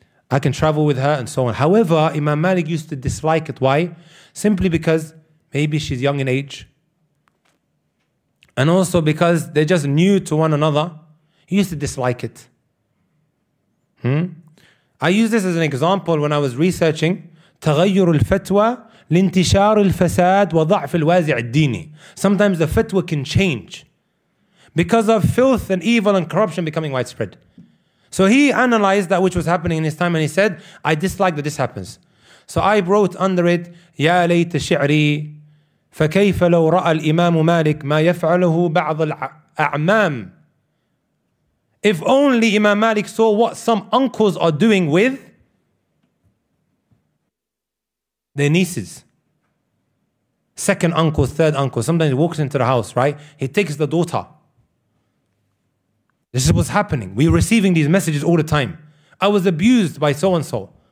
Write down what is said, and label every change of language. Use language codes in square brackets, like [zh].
[en] I can travel with her and so on. However, Imam Malik used to dislike it. Why? Simply because maybe she's young in age. And also because they're just new to one another. He used to dislike it. I use this as an example when I was researching. [ar] تغير الفتوى لانتشار الفساد وضعف الوازع الديني. [en] Sometimes the fatwa can change because of filth and evil and corruption becoming widespread. So he analyzed that which was happening in his time and he said, I dislike that this happens. So I wrote under it, [ar] يا ليت شعري فكيف لو رأى الإمام مالك ما يفعله بعض الأعمام. [en] If only Imam Malik saw what some uncles are doing with their nieces. Second uncle, third uncle. Sometimes he walks into the house, right? He takes the daughter. This is what's happening. We're receiving these messages all the time. I was abused by so-and-so.